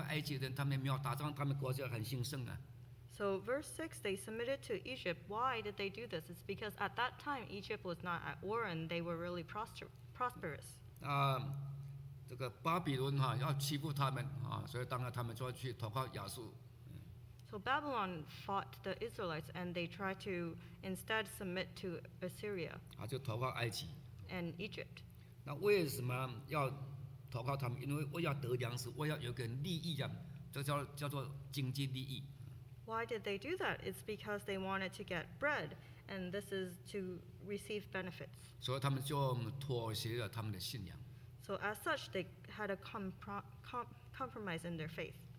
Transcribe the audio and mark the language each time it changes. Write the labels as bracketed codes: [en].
[zh] 我们投靠埃及人和亚述人，为要得粮吃饱。所以我们看当时为什么要投靠埃及人，因为埃及人他们没有打仗，他们国家很兴盛啊。 [en] So verse 6, they submitted to Egypt. Why did they do this? It's because at that time, Egypt was not at war and they were really prosperous. [zh] 这个巴比伦要欺负他们，所以当然他们就要去投靠亚述。 [en] So Babylon fought the Israelites and they tried to instead submit to Assyria. [zh] 就投靠埃及。 [en] And Egypt. [zh] 那为什么要投靠他们? 因为我要得粮食，我要有个利益，这叫做经济利益。 [en] Why did they do that? It's because they wanted to get bread, and this is to receive benefits. So as such, they had a compromise in their faith.